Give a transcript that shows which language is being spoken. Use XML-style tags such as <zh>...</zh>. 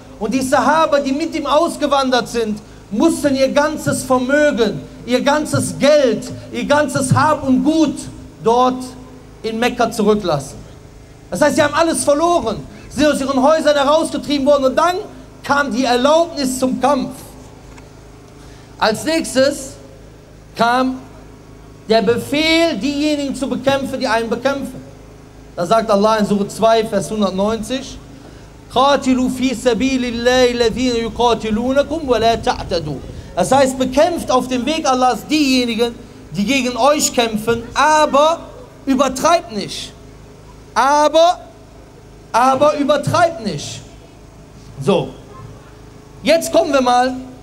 <de>Und die Sahaba, die mit ihm ausgewandert sind, mussten ihr ganzes Vermögen, ihr ganzes Geld, ihr ganzes Hab und Gut dort in Mekka zurücklassen. Das heißt, sie haben alles verloren. Sie sind aus ihren Häusern herausgetrieben worden. Und dann kam die Erlaubnis zum Kampf. Als nächstes kam der Befehl, diejenigen zu bekämpfen, die einen bekämpfen. Da sagt Allah in Surah 2, Vers 190,</de> <ar>قَاتِلُوا فِي سَبِيلِ اللَّهِ الَّذِينَ يُقَاتِلُونَكُمْ وَلَا تَعْتَدُوا.</ar> <de>Das heißt, bekämpft auf dem Weg Allahs diejenigen, die gegen euch kämpfen, aber übertreibt nicht. Aber übertreibt nicht. So, jetzt kommen wir mal.</de>